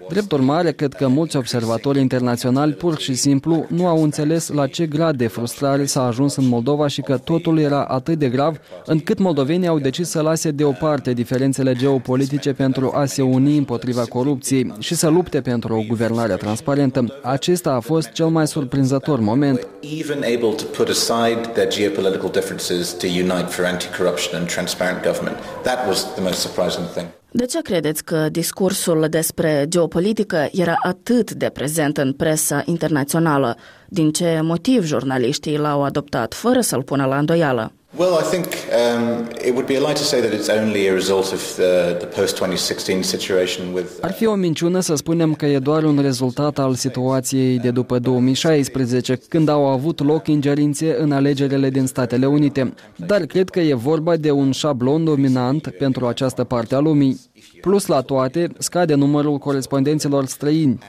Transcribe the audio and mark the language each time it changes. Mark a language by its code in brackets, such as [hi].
[ro] Drept urmare, cred că mulți observatori internaționali pur și simplu nu au înțeles la ce grad de frustrare s-a ajuns în Moldova și că totul era atât de grav, încât moldovenii au decis să lase deoparte diferențele geopolitice pentru a se uni împotriva corupției și să lupte pentru o guvernare transparentă. Acesta a fost cel mai surprinzător moment. [en] Even able to put aside their geopolitical differences to unite for anti-corruption and transparent government. That was the most surprising thing. [ro] De ce credeți că discursul despre geopolitică era atât de prezent în presa internațională? Din ce motiv jurnaliștii l-au adoptat fără să-l pună la îndoială? [en] Well, I think it would be a lie to say that it's only a result of the post-2016 situation with. [ro] Ar fi o minciună să spunem că e doar un rezultat al situației de după 2016, când au avut loc ingerințe în alegerile din Statele Unite. Dar cred că e vorba de un șablon dominant pentru această parte a lumii. Plus la toate, scade numărul corespondenților străini.